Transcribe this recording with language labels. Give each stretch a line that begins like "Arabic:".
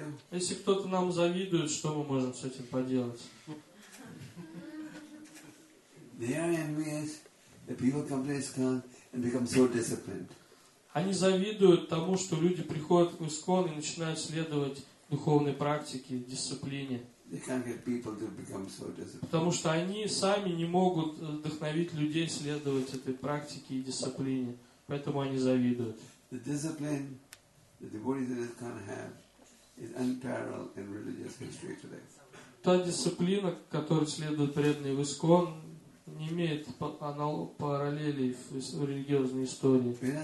Russian: Если кто-то нам завидует, что мы можем с этим поделать?
English: They are envious. The people come to ISKCON and become so disciplined.
Russian: Они завидуют тому, что люди приходят в ИСККОН и начинают следовать духовной практике, дисциплине.
English: They can't get people to become so disciplined.
Russian: Потому что они сами не могут вдохновить людей следовать этой практике и дисциплине, поэтому они завидуют.
English: The discipline that the devotees of ISKCON have is unparalleled in religious history today.
Russian: Та дисциплина, которой следуют преданные в ИСККОН, не имеет параллелей в религиозной истории.